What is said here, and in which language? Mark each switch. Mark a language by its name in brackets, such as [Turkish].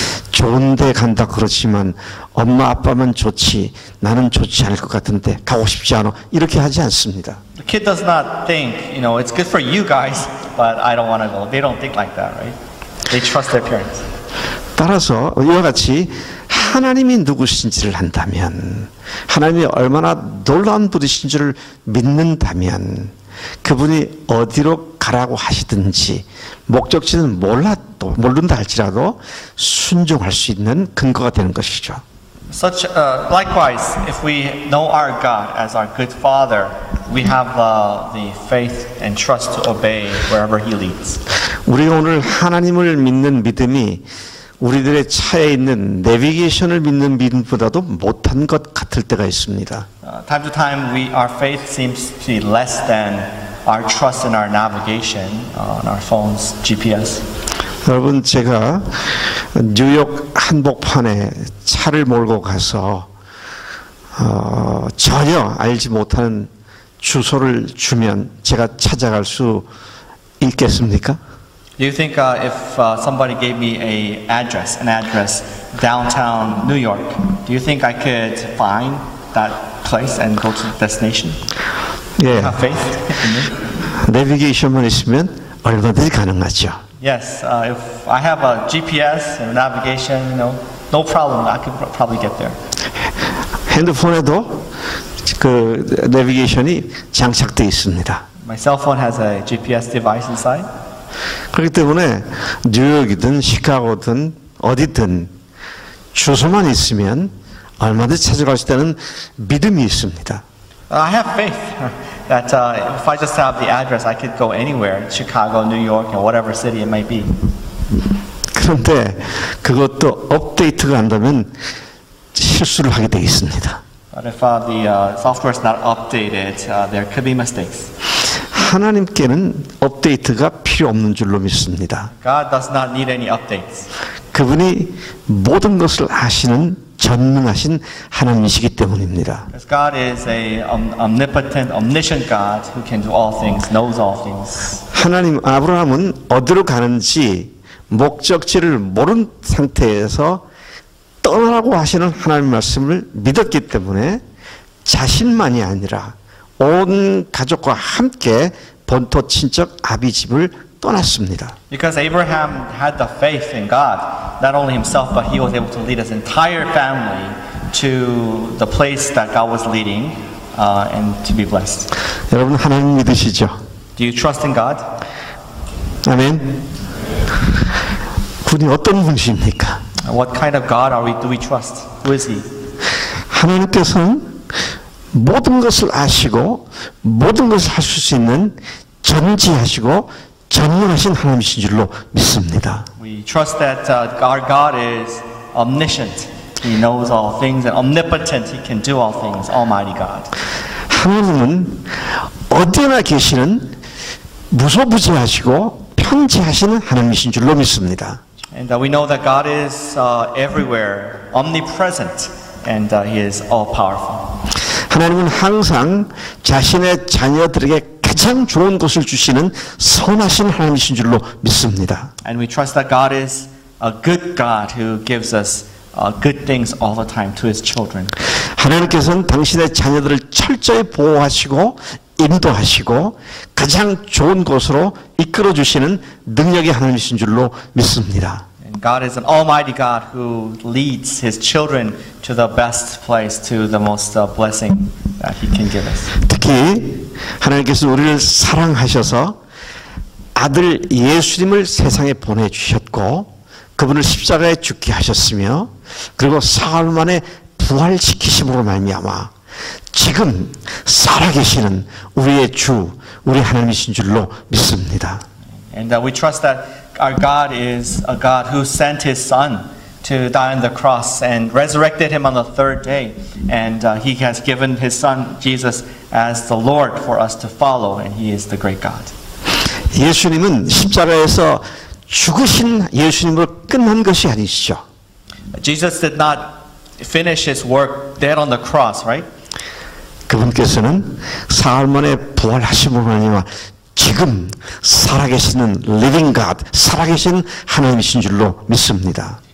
[Korean] 좋은 데 간다 그렇지만 엄마 아빠면 좋지 나는 좋지 않을 것 같은데 가고 싶지 않아 이렇게 하지 않습니다. [English] The kid does not think, you know, it's good for you guys, but I don't want to go. They don't think like that, right? They trust their parents. [Korean] 따라서 이와 같이 하나님이 누구신지를 한다면 하나님이 얼마나 놀라운 분이신지를 믿는다면 그분이 어디로 가라고 하시든지 목적지는 몰라도 모른다 할지라도 순종할 수 있는 근거가 되는 것이죠. [English] Such likewise, if we know our God as our good Father, we have the faith and trust to obey wherever He leads. [Korean] 우리 오늘 하나님을 믿는 믿음이 우리들의 차에 있는 내비게이션을 믿는 믿음보다도 못한 것 같을 때가 있습니다. [English] Time to time, our faith seems to be less than our trust in our navigation on our phones, GPS. [Korean] 여러분, 제가 뉴욕 한복판에 차를 몰고 가서 전혀 알지 못하는 주소를 주면 제가 찾아갈 수 있겠습니까? [English] Do you think if somebody gave me an address downtown New York, do you think I could find that place and go to the destination? Yeah. Have faith in me? [Korean] Navigation만 있으면 얼마든지 가능하죠. [English] Yes, if I have a GPS and navigation, you know, no problem. I could probably get there. [Korean] 핸드폰에도 그 내비게이션이 장착돼 있습니다. [English] My cell phone has a GPS device inside. [Korean] 그렇기 때문에 뉴욕이든 시카고든 어디든 주소만 있으면 얼마든지 찾아갈 수 있다는 믿음이 있습니다. [English] I have faith that if I just have the address, I could go anywhere, Chicago, New York, or whatever city it might be. [Korean] 그런데 그것도 업데이트가 안 되면 실수를 하게 되어 있습니다. [English] But if the software is not updated, there could be mistakes. [Korean] 하나님께는 업데이트가 필요 없는 줄로 믿습니다. [English] God does not need any updates. [Korean] 그분이 모든 것을 아시는 전능하신 하나님이시기 때문입니다. [English] Because God is a omnipotent, omniscient God who can do all things, knows all things. [Korean] 하나님 아브라함은 어디로 가는지 목적지를 모른 상태에서 떠나라고 하시는 하나님 말씀을 믿었기 때문에 자신만이 아니라 온 가족과 함께 본토 친척 아비 집을 떠났습니다. [English] Because Abraham had the faith in God, not only himself, but he was able to lead his entire family to the place that God was leading, and to be blessed. [Korean] 여러분 하나님 믿으시죠? [English] Do you trust in God? [Korean] 아멘. 그분이 어떤 분이십니까? [English] What kind of God are we? Do we trust? Who is he? [Korean] 하나님께서는 모든 것을 아시고 모든 것을 하실 수 있는 전지하시고 전능하신 하나님이신 줄로 믿습니다. [English] We trust that our God is omniscient. He knows all things and omnipotent. He can do all things. Almighty God. [Korean] 하나님은 어디나 계시는 무소부지하시고 편지하시는 하나님이신 줄로 믿습니다. [English] And we know that God is everywhere, omnipresent, and He is all powerful. [Korean] 하나님은 항상 자신의 자녀들에게 가장 좋은 것을 주시는 선하신 하나님이신 줄로 믿습니다. [English] And we trust that God is a good God who gives us good things all the time to His children. [Korean] 하나님께서는 당신의 자녀들을 철저히 보호하시고 인도하시고 가장 좋은 것으로 이끌어 주시는 능력의 하나님이신 줄로 믿습니다. [English] God is an almighty God who leads His children to the best place, to the most blessing that He can give us. [Korean] 특히 하나님께서 우리를 사랑하셔서 아들 예수님을 세상에 보내주셨고 그분을 십자가에 죽게 하셨으며 그리고 사흘 만에 부활시키심으로 말미암아 지금 살아계시는 우리의 주, 우리 하나님이신 줄로 믿습니다. [English] And we trust that our God is a God who sent His Son to die on the cross and resurrected Him on the third day. And He has given His Son, Jesus, as the Lord for us to follow. And He is the great God. [Korean] 예수님은 십자가에서 죽으신 예수님으로 끝난 것이 아니시죠. [English] Jesus did not finish His work dead on the cross, right? [Korean] 그분께서는 사흘 만에 부활하심으로 말미암아 지금 살아계시는 [English] living God, [Korean] 살아계신 하나님이신 줄로 믿습니다.